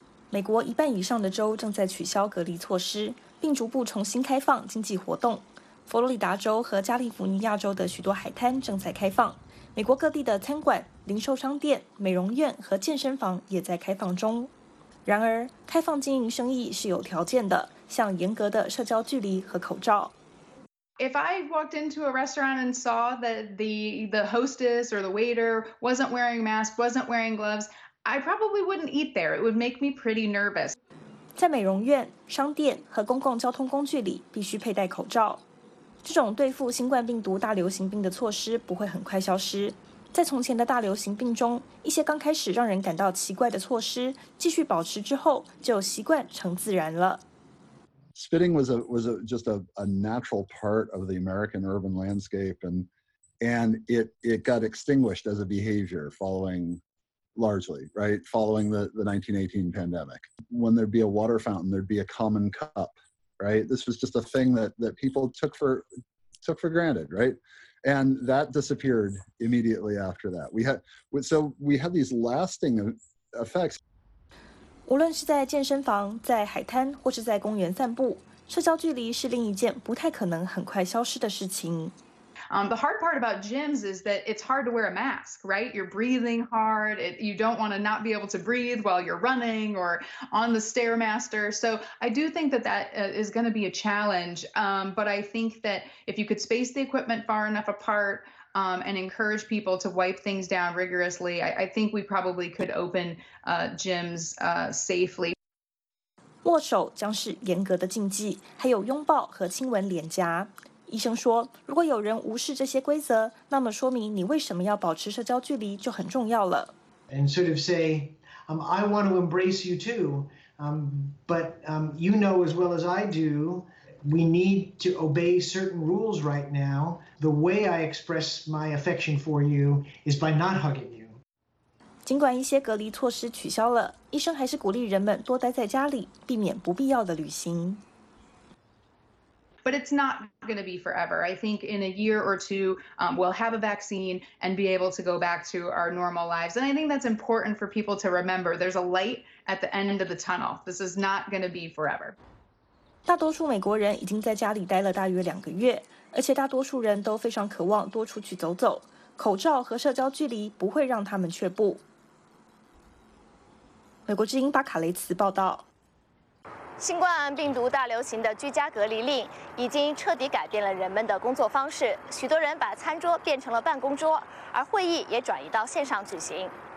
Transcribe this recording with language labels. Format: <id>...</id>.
<zh>美国一半以上的州正在取消隔离措施，并逐步重新开放经济活动。佛罗里达州和加利福尼亚州的许多海滩正在开放。美国各地的餐馆、零售商店、美容院和健身房也在开放中。然而，开放经营生意是有条件的，像严格的社交距离和口罩。</zh> <en>If I walked into a restaurant and saw that the hostess or the waiter wasn't wearing a mask, wasn't wearing gloves, I probably wouldn't eat there. It would make me pretty nervous.</en> <zh>在美容院、商店和公共交通工具里必须佩戴口罩。这种对付新冠病毒大流行病的措施不会很快消失。在从前的大流行病中，一些刚开始让人感到奇怪的措施继续保持之后，就习惯成自然了。</zh> <en>Spitting was just a natural part of the American urban landscape, and it got extinguished as a behavior following the 1918 pandemic. When there'd be a water fountain, there'd be a common cup, right? This was just a thing that people took for granted, right? And that disappeared immediately after that. We had these lasting effects.</en> <zh>无论是在健身房、在海滩或是在公园散步，社交距离是另一件不太可能很快消失的事情。</zh> <en>The hard part about gyms is that it's hard to wear a mask, right? You're breathing hard. You don't want to not be able to breathe while you're running or on the stairmaster. So I do think that is going to be a challenge. But I think that if you could space the equipment far enough apart, and encourage people to wipe things down rigorously, I think we probably could open gyms safely.</en> <zh>握手将是严格的禁忌，还有拥抱和亲吻脸颊。医生说，如果有人无视这些规则，那么说明你为什么要保持社交距离就很重要了。</zh> <en>And sort of say, I want to embrace you too, but you know as well as I do, we need to obey certain rules right now. The way I express my affection for you is by not hugging you.</en> <zh>尽管一些隔离措施取消了，医生还是鼓励人们多待在家里，避免不必要的旅行。</zh> <en>But it's not going to be forever. I think in a year or two, we'll have a vaccine and be able to go back to our normal lives. And I think that's important for people to remember. There's a light at the end of the tunnel. This is not going to be forever.</en> <zh>大多数美国人已经在家里待了大约两个月。而且大多数人都非常渴望多出去走走，口罩和社交距离不会让他们却步。美国之音巴卡雷茨报道。新冠病毒大流行的居家隔离令已经彻底改变了人们的工作方式，许多人把餐桌变成了办公桌，而会议也转移到线上举行。</zh>